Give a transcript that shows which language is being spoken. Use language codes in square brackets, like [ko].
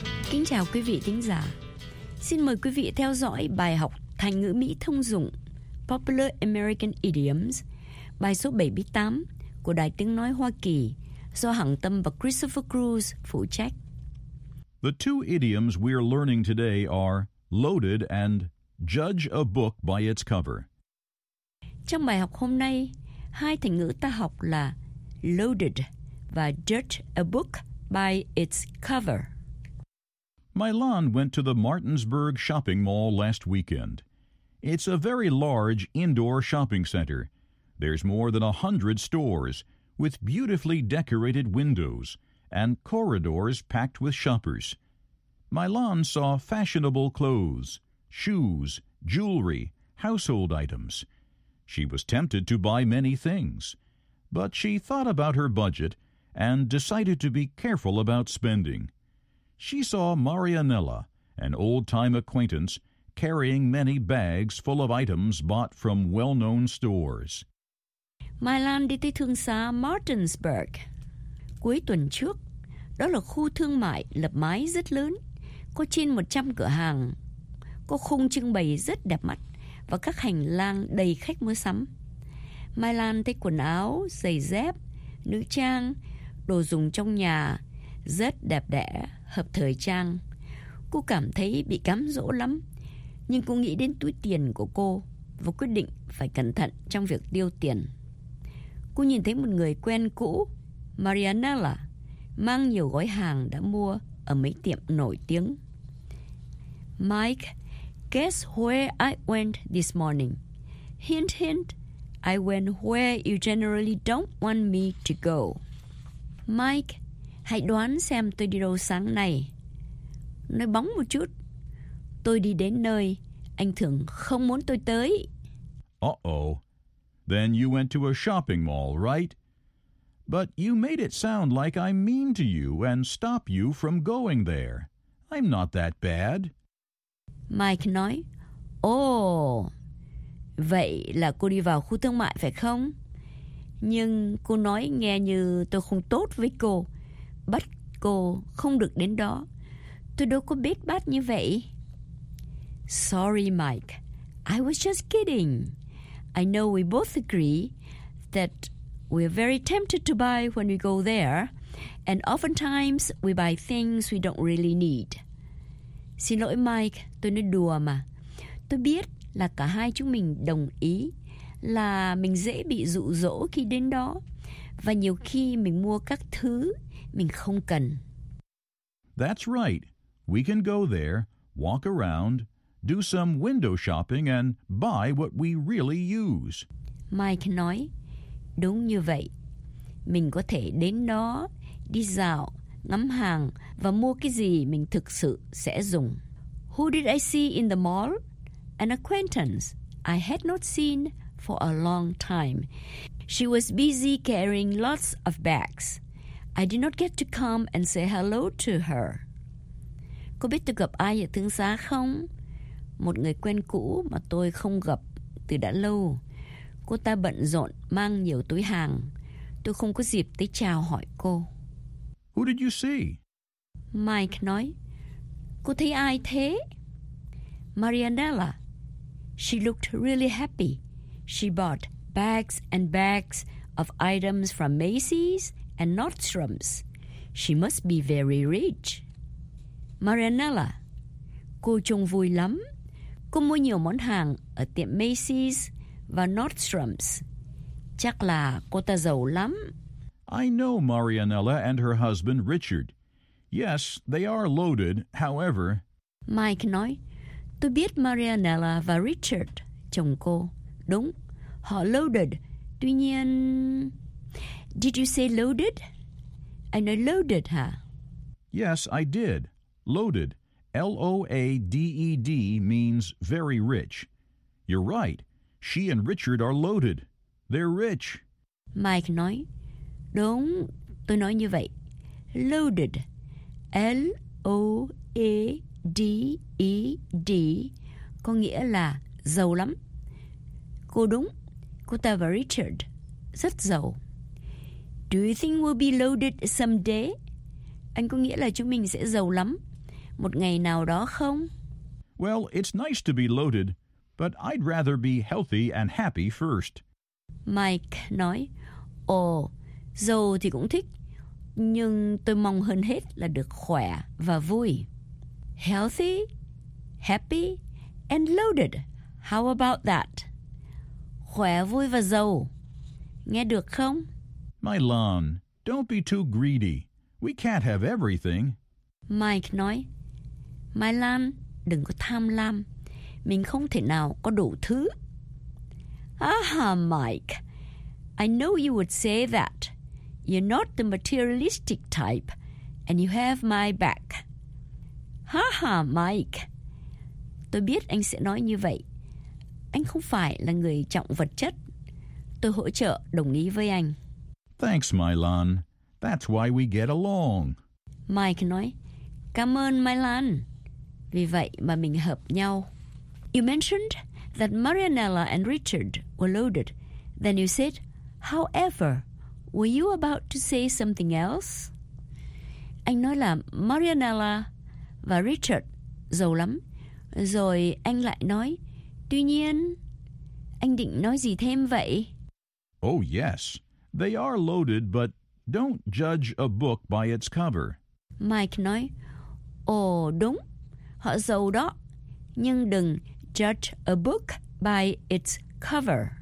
[vi] Kính chào quý vị thính giả. Xin mời quý vị theo dõi bài học thành ngữ Mỹ thông dụng [en] Popular American Idioms, [vi] bài số 78 của Đài Tiếng Nói Hoa Kỳ do Hằng Tâm và Christopher Cruz phụ trách. [en] The two idioms we are learning today are loaded and judge a book by its cover. [vi] Trong bài học hôm nay, hai thành ngữ ta học là loaded và [en] judge a book by its cover. Milan went to the Martinsburg shopping mall last weekend. It's a very large indoor shopping center. There's more than 100 stores with beautifully decorated windows and corridors packed with shoppers. Milan saw fashionable clothes, shoes, jewelry, household items. She was tempted to buy many things, but she thought about her budget and decided to be careful about spending. She saw Marianella, an old-time acquaintance, carrying many bags full of items bought from well-known stores. [vi] Mai Lan đi tới thương xá Martinsburg. Cuối tuần trước, đó là khu thương mại lập mái rất lớn, có trên 100 cửa hàng, có khung trưng bày rất đẹp mắt và các hành lang đầy khách mua sắm. Mai Lan thấy quần áo, giày dép, nữ trang, đồ dùng trong nhà rất đẹp đẽ, hợp thời trang. Cô cảm thấy bị cám dỗ lắm, nhưng cô nghĩ đến túi tiền của cô và quyết định phải cẩn thận trong việc tiêu tiền. Cô nhìn thấy một người quen cũ, Marianella, mang nhiều gói hàng đã mua ở mấy tiệm nổi tiếng. [en] Mike, guess where I went this morning? Hint, hint, I went where you generally don't want me to go. [vi] Mike, hãy đoán xem tôi đi đâu sáng nay. Nói bóng một chút. Tôi đi đến nơi anh thường không muốn tôi tới. [en] Uh-oh. Then you went to a shopping mall, right? But you made it sound like I'm mean to you and stop you from going there. I'm not that bad. [vi] Mike nói, vậy là cô đi vào khu thương mại phải không? Nhưng cô nói nghe như tôi không tốt với cô, bắt cô không được đến đó. Tôi đâu có biết bát như vậy. [en] Sorry, Mike. I was just kidding. I know we both agree that we're very tempted to buy when we go there, and oftentimes we buy things we don't really need. [vi] Xin lỗi Mike, tôi nói đùa mà. Tôi biết là cả hai chúng mình đồng ý là mình dễ bị dụ dỗ khi đến đó, và nhiều khi mình mua các thứ mình không cần. [en] That's right. We can go there, walk around, do some window shopping and buy what we really use. [vi] Mike nói, đúng như vậy. Mình có thể đến đó, đi dạo, ngắm hàng và mua cái gì mình thực sự sẽ dùng. [en] Who did I see in the mall? An acquaintance I had not seen for a long time. She was busy carrying lots of bags. I did not get to come and say hello to her. [vi] Cô biết tôi gặp ai ở thương xá không? Một người quen cũ mà tôi không gặp từ đã lâu. Cô ta bận rộn mang nhiều túi hàng. Tôi không có dịp tới chào hỏi cô. [en] Who did you see? [vi] Mike nói, cô thấy ai thế? [en] Marianella. She looked really happy. She bought bags and bags of items from Macy's and Nordstrom's. She must be very rich. [vi] Marianella. Cô trông vui lắm. Cô mua nhiều món hàng ở tiệm Macy's và Nordstrom's. Chắc là cô ta giàu lắm. [en] I know Marianella and her husband, Richard. Yes, they are loaded, however. [vi] Mike nói, tôi biết Marianella và Richard, chồng cô. Đúng, họ loaded. Tuy nhiên... [en] Did you say loaded? I know loaded, huh? Yes, I did. Loaded. L-O-A-D-E-D means very rich. You're right. She and Richard are loaded. They're rich. [vi] Mike nói, đúng, tôi nói như vậy. Loaded. L-O-A-D-E-D có nghĩa là giàu lắm. Cô đúng, cô ta và Richard rất giàu. [en] Do you think we'll be loaded someday? [vi] Anh có nghĩa là chúng mình sẽ giàu lắm một ngày nào đó không? [en] Well, it's nice to be loaded, but I'd rather be healthy and happy first. [vi] Mike nói, giàu thì cũng thích, nhưng tôi mong hơn hết là được khỏe và vui. [en] Healthy, happy, and loaded. How about that? [vi] Khỏe, vui và giàu. Nghe được không? [en] My Lan, don't be too greedy. We can't have everything. [vi] Mike nói, Mai Lan, đừng có tham lam. Mình không thể nào có đủ thứ. [en] Aha, Mike. I know you would say that. You're not the materialistic type, and you have my back. [vi] Haha, Mike. Tôi biết anh sẽ nói như vậy. anh không phải là người trọng vật chất. Tôi hỗ trợ đồng ý với anh. [en] Thanks, Mylan. That's why we get along. [vi] Mike nói, cảm ơn Mylan. Vì vậy mà mình hợp nhau. [en] You mentioned that Marianella and Richard were loaded. Then you said, however, were you about to say something else? [vi] Anh nói là Marianella và Richard giàu lắm. Rồi anh lại nói, tuy nhiên, anh định nói gì thêm vậy? [en] Oh yes, they are loaded, but don't judge a book by its cover. [vi] Mike nói, ồ đúng, họ giàu đó, nhưng đừng [en] judge a book by its cover.